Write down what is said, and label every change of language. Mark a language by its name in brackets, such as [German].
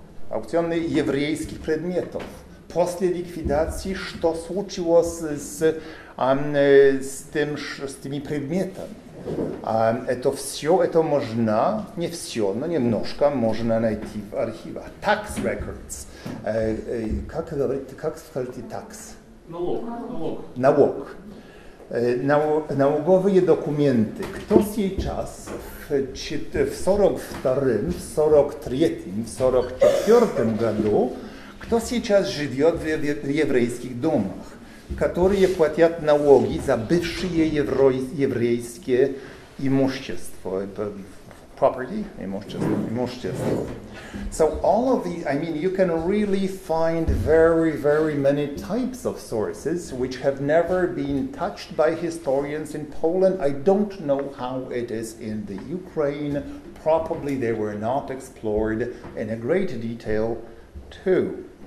[Polish] Aukcjony jewryjskich przedmiotów. [Russian] После ликвидации, что случилось с тыми предметами? Это все, это можно, не все, но немножко можно найти в архивах. [English] Tax records. [Russian] Как скажете tax? Налог. Налоговые документы. Кто сейчас в 42-м, в 43-м, в 44-м году, кто сейчас живет в еврейских домах, которые платят налоги за бывшие еврейские имущество? [English] Property? Имущество. So all of the, I mean, you can really find very, very many types of sources which have never been touched by historians in Poland. I don't know how it is in the Ukraine. Probably they were not explored in a great detail too.